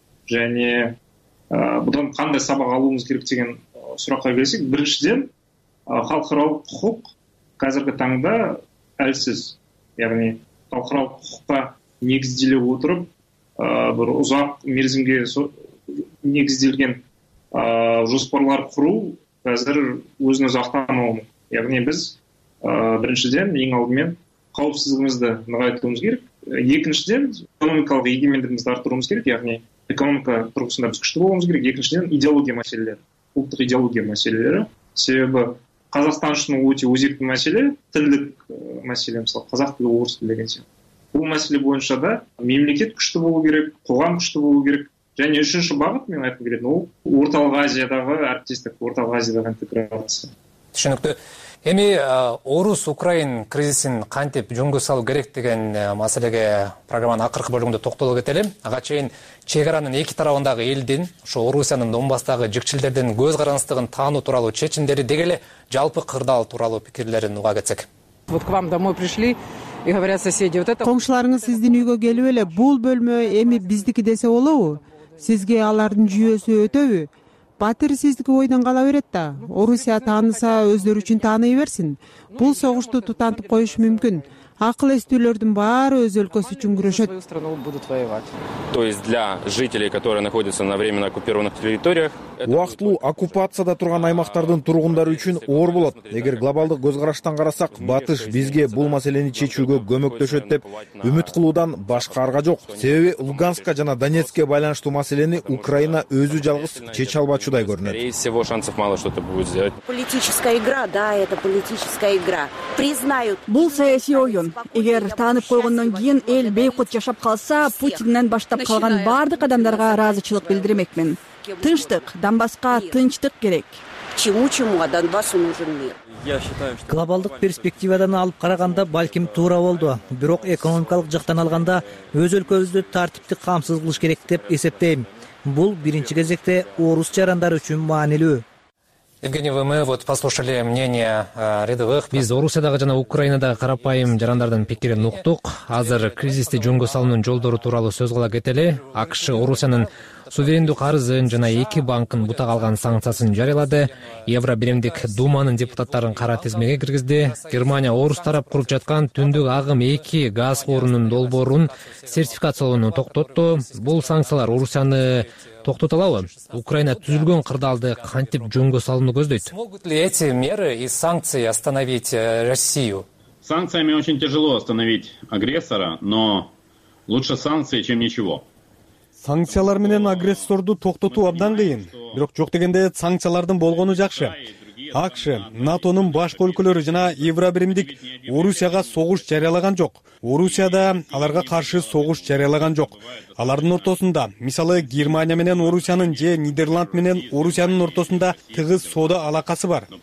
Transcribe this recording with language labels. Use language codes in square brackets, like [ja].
[ky] Жана бундан кандай сабак алуубуз керек деген суроого келсек, биринчиден халкаралык укук казыркы таңда алсыз, яны халкаралык укукка негизделип отуруп бир узак мерзимге негизделген жоспарлар куруу азыр өзүн өзү актамоо. Яны биз [kk] Біріншіден, ең алдымен қауіпсіздігімізді нығайтуымыз керек. Екіншіден, экономикалық егемендігімізді арттыруымыз керек, яғни экономика тұрғысында біз күшті болуымыз керек. Екіншіден, идеология мәселелері, ұлттық идеология мәселелері. Себебі Қазақстан үшін өте өзекті мәселе, тілдік мәселе, мысалы, қазақ тілі, орыс тілі деген сияқты. Бұл мәселе бойынша да мемлекет күшті болу керек, қоғам күшті болу керек. Және үшінші бағыт мен айтқым келетін, ол Орталық Азиядағы әріптестік, Орталық Азиядағы интеграция. Түсінікті. [ky] Эми орус-украин кризисин кантип жөнгө салуу керек деген маселеге программанын акыркы бөлүгүндө токтоло кетели. Ага чейин чек аранын эки тарабындагы элдин, ошо Орусиянын Донбасстагы жыкчилдердин көз караңыздыгын таануу тууралуу чечимдери деги эле жалпы кырдаал тууралуу пикирлерин уга кетсек. [ru] Вот к вам домой пришли и говорят соседи. Вот это [ky] Комшуларыңыз сиздин үйгө келип эле бул бөлмө эми биздики десе болобу? Сизге алардын жүйөсү өтөбү? Батыр сиздики ойдон кала берет да. Орусия тааныса өздөрү үчүн тааный берсин. Бул согушту тутантып коюшу мүмкүн. Акыл эстүүлөрдүн баары өз өлкөсү үчүн күрөшөт. [ru] То есть для жителей, которые находятся на временно оккупированных территориях, [kk] Уақытлы оккупацияда тұрған аймақтардың тұрғындары үшін ор болады. Егер глобалдық көзқараштан қарасақ, батыш бізге бұл мәселені шешуге көмектеседі деп үміт қылудан басқа арға жоқ. Себебі Луганскқа және Донецкке байланысты мәселені Украина өзі жалғыз шеше алмайды деп көрінеді. [ru] Всего шансов мало что-то будет сделать. Политическая игра, да, это политическая игра. Признают. [kk] Бұл саяси ойын. Егер танып қойғаннан кейін ел бейқот жасап қалса, Путиннен бастап қалған барлық адамдарға разычылық білдірмекмін. [ky] Тынчтык, Донбасска тынчтык керек. [ru] Чему-чему, а Донбассу нужен мир. [ky] Глобалдык перспективадан алып караганда балким туура болду, бирок экономикалык жактан алганда өз өлкөбүздү тартипти камсыз кылыш керек деп эсептейм. Бул биринчи кезекте орус жарандары үчүн маанилүү. [ru] Евгений, мы вот послушали мнение рядовых. [ky] Биз Орусиядагы жана Украинадагы карапайым жарандардын пикирин уктук. Азыр кризисти жөнгө салуунун жолдору тууралуу сөз кыла кетели. АКШ Орусиянын суверендүү карызын жана эки банкын бутак алган санкциясын жарыялады. Евро биримдик думанын депутаттарын кара тизмеге киргизди. Германия орус тарап куруп жаткан түндүк агым 2 газ куурунун долбоорун сертификациялоону токтотту. Бул санкциялар Орусияны токтото алабы? Украина түзүлгөн кырдаалды кантип жөнгө салууну көздөйт? [ru] Могут ли эти меры и санкции остановить Россию? Санкциями очень тяжело остановить агрессора, но лучше санкции, чем ничего. [ky] Санкциялар менен агрессорду токтотуу абдан кыйын, бирок жок дегенде санкциялардын болгону жакшы. АКШ, НАТОнун башкы өлкөлөрү жана Евробиримдик Орусияга согуш жарыялаган жок. Орусияда аларга каршы согуш жарыялаган жок. Алардын ортосунда, мисалы, Германия менен Орусиянын же Нидерланд менен Орусиянын ортосунда тыгыз соода алакасы бар.